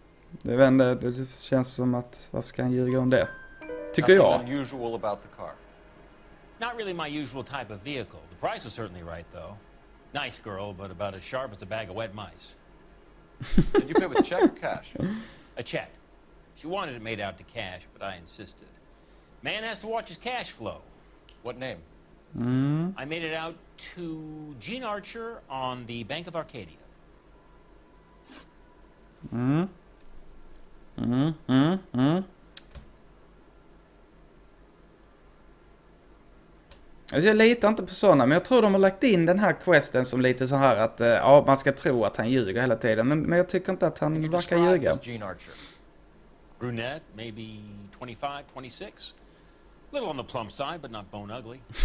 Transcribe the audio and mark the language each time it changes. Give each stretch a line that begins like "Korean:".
Swedish: Det vände, det känns som att varför ska han ljuga om det? Tycker jag.
English: Nothing unusual about the car. Not really my usual type of vehicle. The price was certainly right though. Nice girl, but about as sharp as a bag of wet mice. Did you pay with check or cash? A check. She wanted it made out to cash, but I insisted. Man has to watch his cash flow. What name? I made it out to Gene Archer on the Bank of Arcadia.
Swedish: Alltså jag litar inte på sådana, men jag tror de har lagt in den här questen som lite så här att ja, man ska tro att han ljuger hela tiden, men jag tycker inte att han verkar ljuga.
English: Gene Archer. Brunette, maybe 25, 26. A little on the plump side, but not bone ugly.